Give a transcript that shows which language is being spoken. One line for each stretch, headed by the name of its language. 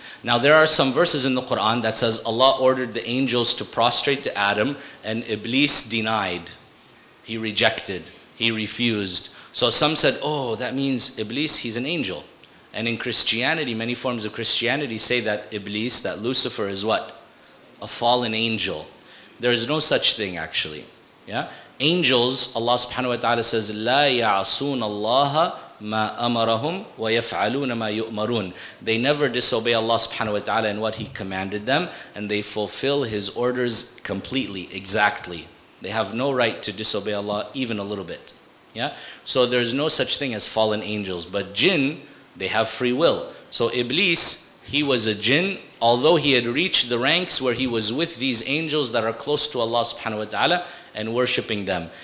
English: Now there are some verses in the Quran that says Allah ordered the angels to prostrate to Adam and Iblis denied. He rejected. He refused. So some said, oh, that means Iblis, he's an angel. And in Christianity, many forms of Christianity say that Iblis, that Lucifer is what? A fallen angel. There is no such thing actually. Yeah? angels, Allah subhanahu wa ta'ala says,
Arabic: لا يعصون الله ما أمرهم ويفعلون ما يؤمرون.
English: They never disobey Allah subhanahu wa ta'ala and what He commanded them, and they fulfill His orders completely, exactly. They have no right to disobey Allah even a little bit. Yeah. So there's no such thing as fallen angels. But jinn, they have free will. So Iblis, he was a jinn, although he had reached the ranks where he was with these angels that are close to Allah subhanahu wa ta'ala and worshipping them.